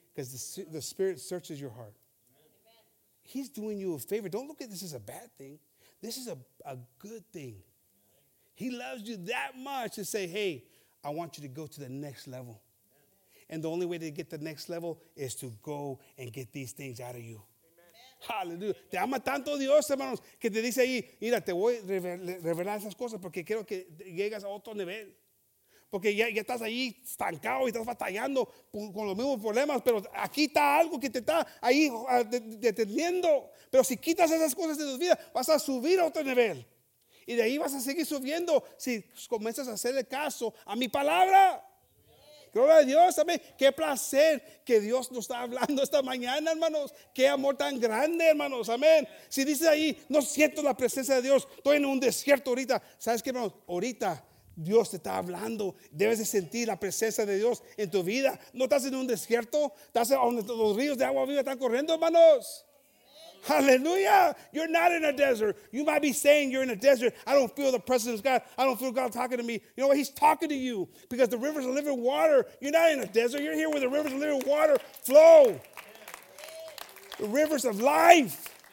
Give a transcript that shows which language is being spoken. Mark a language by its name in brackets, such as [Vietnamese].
[English] Because the Spirit searches your heart. Amen. He's doing you a favor. Don't look at this as a bad thing. This is a good thing. He loves you that much to say, hey, I want you to go to the next level. And the only way to get the next level is to go and get these things out of you. Hallelujah. [Spanish] Te ama tanto Dios, hermanos, que te dice ahí, mira, te voy a revelar esas cosas porque quiero que llegues a otro nivel. Porque ya estás ahí estancado y estás batallando con los mismos problemas, pero aquí está algo que te está ahí deteniendo. Pero si quitas esas cosas de tu vida, vas a subir a otro nivel. Y de ahí vas a seguir subiendo si comienzas a hacerle caso a mi palabra. Gloria a Dios, amén. Qué placer que Dios nos está hablando esta mañana, hermanos. Qué amor tan grande, hermanos, amén. Si dices ahí, no siento la presencia de Dios, estoy en un desierto ahorita. ¿Sabes qué, hermanos? Ahorita Dios te está hablando. Debes de sentir la presencia de Dios en tu vida. ¿No estás en un desierto? ¿Estás donde los ríos de agua viva están corriendo, hermanos? [English] Hallelujah. You're not in a desert. You might be saying you're in a desert. I don't feel the presence of God. I don't feel God talking to me. You know what? He's talking to you because the rivers of living water. You're not in a desert. You're here where the rivers of living water flow. The rivers of life.